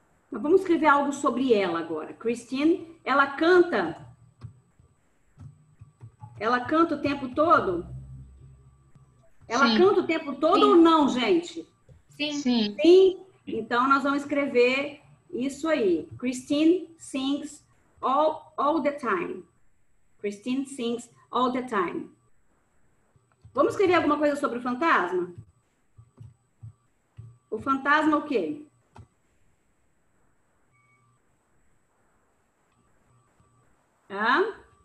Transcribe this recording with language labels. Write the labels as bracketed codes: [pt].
[pt] Mas vamos escrever algo sobre ela agora. Christine, ela canta? Ela canta o tempo todo? Ela Sim. canta o tempo todo Sim. ou não, gente? Sim. Sim. Sim. Então, nós vamos escrever isso aí. [en] Christine sings all the time. Christine sings all the time. [pt] Vamos escrever alguma coisa sobre o fantasma? O fantasma o quê? Hã?